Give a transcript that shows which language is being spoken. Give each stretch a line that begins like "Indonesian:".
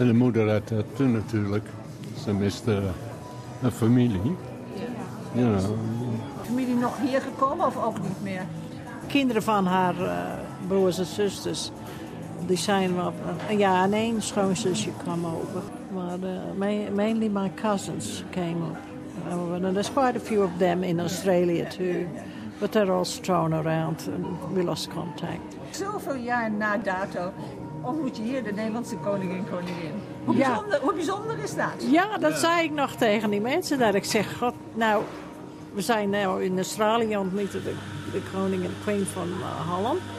Dutch: En de moeder had dat toen natuurlijk. Ze miste een familie. Ja. Is de familie nog hier gekomen of ook niet meer? Kinderen van haar broers en zusters. Die zijn wel... en één schoonzusje kwam over.
English: Maar mainly my cousins came up. And there's quite a few of them in Australia too. But they're all thrown around and we lost contact.
Dutch: Zoveel jaar na dato ontmoet je hier de Nederlandse koningin. Hoe bijzonder is dat? Ja, dat zei ik nog tegen die mensen. Dat ik zeg, god, nou, we zijn nu in Australië ontmoeten de koning en queen van Holland.